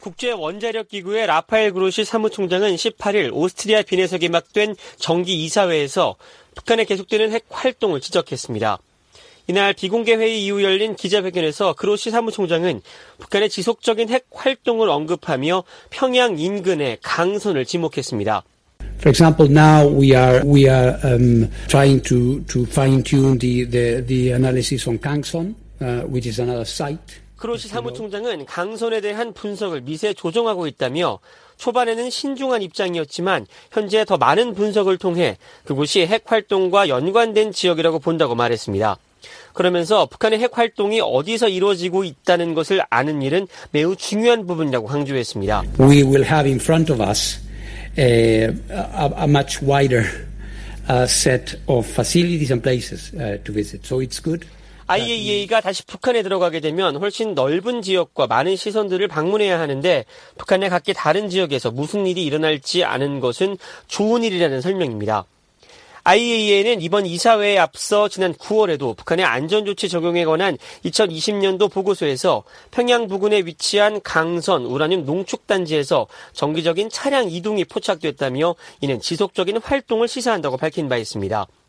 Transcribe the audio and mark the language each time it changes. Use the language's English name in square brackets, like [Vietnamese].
[Korean] 국제원자력기구의 라파엘 그로시 사무총장은 18일 오스트리아 빈에서 개막된 정기이사회에서 북한의 계속되는 핵활동을 지적했습니다. 이날 비공개 회의 이후 열린 기자회견에서 그로시 사무총장은 북한의 지속적인 핵활동을 언급하며 평양 인근의 강선을 지목했습니다. [English] For example, now we are trying to fine-tune the analysis on Kangson, which is another site. [Korean] 그로시 사무총장은 강선에 대한 분석을 미세 조정하고 있다며 초반에는 신중한 입장이었지만 현재 더 많은 분석을 통해 그곳이 핵활동과 연관된 지역이라고 본다고 말했습니다. 그러면서 북한의 핵활동이 어디서 이루어지고 있다는 것을 아는 일은 매우 중요한 부분이라고 강조했습니다. [English] We will have in front of us a much wider set of facilities and places to visit. So it's good. [Korean] IAEA가 다시 북한에 들어가게 되면 훨씬 넓은 지역과 많은 시선들을 방문해야 하는데 북한 내 각기 다른 지역에서 무슨 일이 일어날지 아는 것은 좋은 일이라는 설명입니다. IAEA는 이번 이사회에 앞서 지난 9월에도 북한의 안전조치 적용에 관한 2020년도 보고서에서 평양 부근에 위치한 강선 우라늄 농축단지에서 정기적인 차량 이동이 포착됐다며 이는 지속적인 활동을 시사한다고 밝힌 바 있습니다.